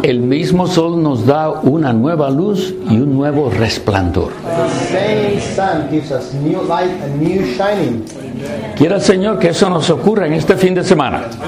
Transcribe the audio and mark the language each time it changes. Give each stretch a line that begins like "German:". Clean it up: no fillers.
Spanish: El mismo sol nos da una nueva luz y un nuevo resplandor.
English: The same sun gives us new light and new shining.
Spanish: Quiera el Señor que eso nos ocurra en este fin de semana.